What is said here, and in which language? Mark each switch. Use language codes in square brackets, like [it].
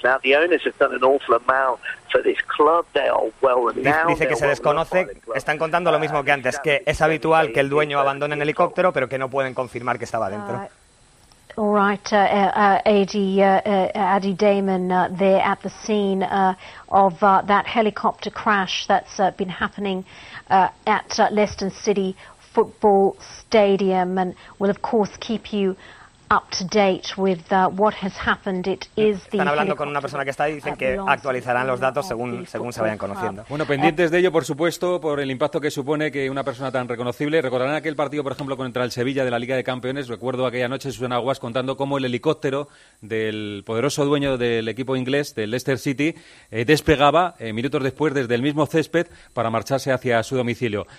[en] Now the owners have done an awful amount for this club. They are well renowned. [es] Dice que se desconoce. Están contando lo mismo que antes, que es habitual que el dueño abandone el helicóptero, pero que no pueden confirmar que estaba dentro. [en] All right, Addie Damon there at the scene of that helicopter crash that's been happening at Leicester City Football Stadium, and we'll of course keep you up to date with what has happened. It is the. [es] Están hablando con una persona que está ahí y dicen que actualizarán los datos según se vayan conociendo. Bueno, pendientes de ello, por supuesto, por el impacto que supone que una persona tan reconocible. Recordarán aquel partido, por ejemplo, contra el Sevilla de la Liga de Campeones. Recuerdo aquella noche Susana Aguas contando cómo el helicóptero del poderoso dueño del equipo inglés, del Leicester City, despegaba minutos después desde el mismo césped para marcharse hacia su domicilio.